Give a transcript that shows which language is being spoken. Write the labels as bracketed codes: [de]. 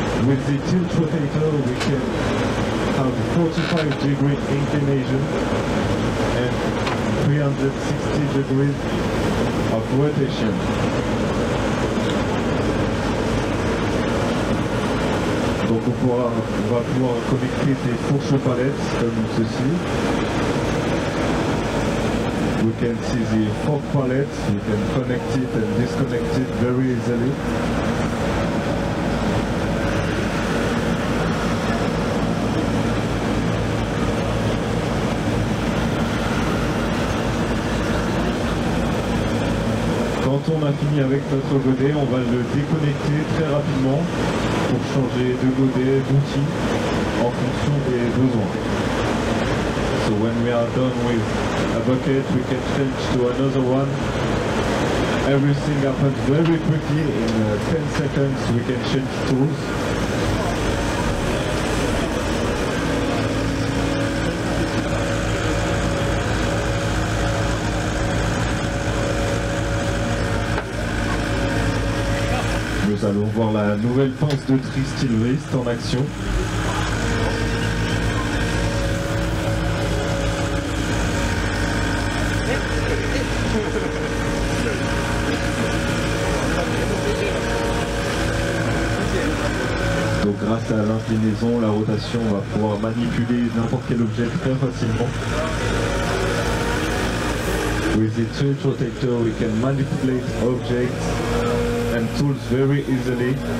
[en] With the tilt rotator, we can have 45 degrees inclination and 360 degrees of rotation. [fr] Donc on va pouvoir connecter des fourches aux palettes comme ceci. [en] We can see the fork palette. You can connect it and disconnect it very easily. [fr] Quand on a fini avec notre godet, on va le déconnecter très rapidement pour changer de godet, d'outil, en fonction des besoins. [en] So when we are done with a bucket, we can change to another one. Everything happens very quickly. In 10 seconds, we can change tools. [fr] Nous allons voir la nouvelle pince de tri Steelwrist en action. Donc grâce à l'inclinaison, la rotation, on va pouvoir manipuler n'importe quel objet très facilement. [en] With the tilt rotator, we can manipulate objects and tools very easily.